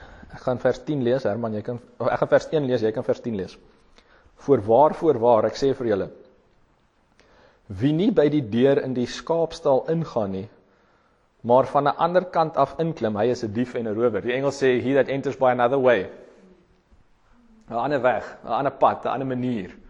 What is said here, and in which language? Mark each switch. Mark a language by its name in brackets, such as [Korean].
[Afrikaans] Ek gaan vers 10 lees, Herman, ek gaan vers 1 lees. Voorwaar, ek sê vir julle, wie nie by die deur in die skaapstal ingaan nie, maar van die ander kant af inklim, hy is 'n dief en 'n rower. Die Engels sê, [English] he that enters by another way. [Afrikaans] 'N ander weg, 'n ander pad, 'n ander manier.